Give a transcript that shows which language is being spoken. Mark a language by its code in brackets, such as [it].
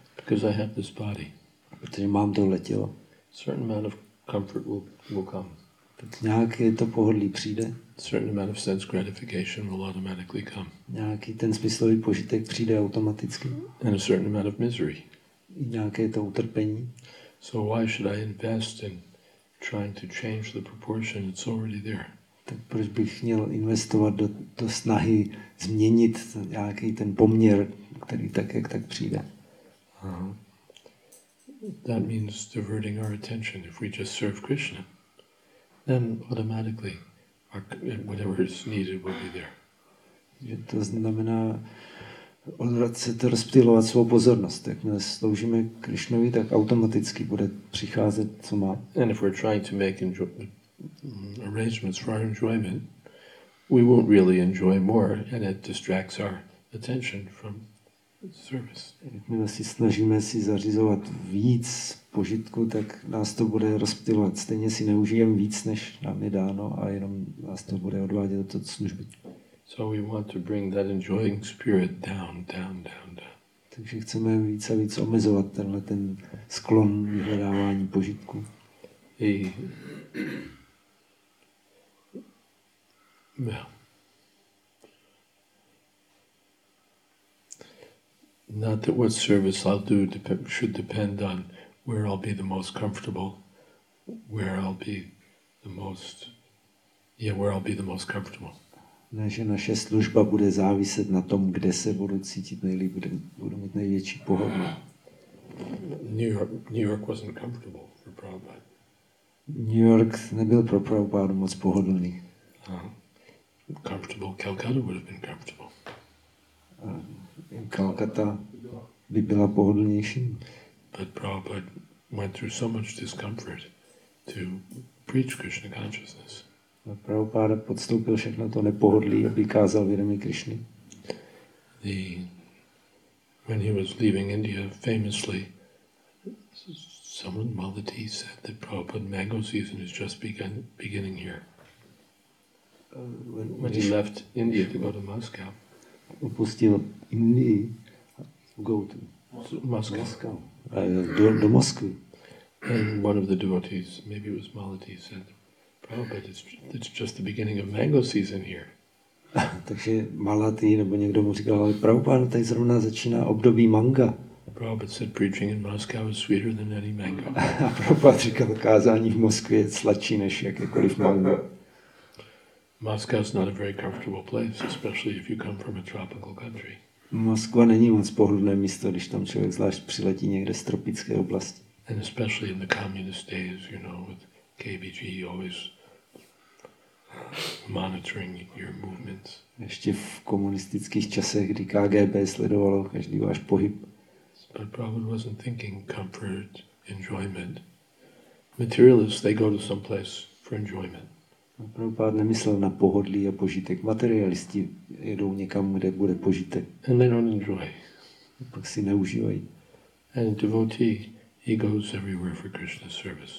[en] Because I have this body. [cs] Protože mám tohle tělo. [en] A certain amount of comfort will come. [cs] Tak nějak je to pohodlný, přijde. [en] A certain amount of sense gratification will automatically come. [cs] Nějaký ten smyslový požitek přijde automaticky. [en] And a certain amount of misery. [cs] Nějaké to utrpení. [en] So why should I invest in trying to change the proportion, it's already there. [cs] Tak proč bych měl investovat do snahy změnit nějaký ten poměr, který tak jak tak přijde. [en] Uh-huh. That means diverting our attention. If we just serve Krishna, then automatically whatever is needed will be there. [cs] Že to znamená odvracet, rozptylovat svou pozornost. Jakmile sloužíme Krišnovi, tak automaticky bude přicházet, co má. [en] And if we're trying to make arrangements for our enjoyment, we won't really enjoy more, and it distracts our attention from service. [cs] Jakmile si snažíme si zařizovat víc požitku, tak nás to bude rozptylovat. Stejně si neužijeme víc, než nám je dáno, a jenom nás to bude odvádět od služby. [en] So we want to bring that enjoying spirit down. [cs] Takže chceme více a víc omezovat tenhle ten sklon vyhledávání požitku. [en] Not that what service I'll do should depend on where I'll be the most comfortable, where I'll be the most comfortable. [cs] Ne, že naše služba bude záviset na tom, kde se budu cítit nejlíp, budu mít největší pohodu. [en] New York wasn't comfortable for Prabhupada. [cs] New York nebyl pro Prabhupada moc pohodlný. [en] Comfortable Calcutta would have been comfortable. [cs] Calcutta by byla pohodlnější. [en] But Prabhupada went through so much discomfort to preach Krishna consciousness. [cs] Prabhupada podstoupil všechno to nepohodlí, aby kázal vědomí Krišny. [en] When he was leaving India, famously, someone, Malati, said that Prabhupada, mango season is just beginning here. When he left India to go to Moscow. [cs] Opustil Indii, Moscow. Do Moskvy. [en] And one of the devotees, maybe it was Malati, said, Prabhupada, it's just the beginning of mango season here. [cs] Takže Malati nebo někdo mu říkal, ale Prabhupada, tady zrovna začíná období manga. [en] Prabhupada said preaching in Moscow is sweeter than any mango. [cs] A Prabhupada říkal, kázání v Moskvě je sladší než jakékoliv mango. [en] Moscow is not a very comfortable place, especially if you come from a tropical country. [cs] Moskva není moc pohodlné místo, když tam člověk zvlášť přiletí někde z tropické oblasti. [en] And especially in the communist days, you know, with KBG always monitoring your movements. [cs] Ještě v komunistických časech, kdy KGB sledovalo každý váš pohyb. [en] But Prabhupada wasn't thinking comfort, enjoyment. Materialists, they go to some place for enjoyment. [cs] Prabhupada nemyslel na pohodlí a požitek. Materialisti jedou někam, kde bude požitek. [en] And they don't enjoy. [cs] A pak si neužívají. [en] And devotee, he goes everywhere for Krishna's service.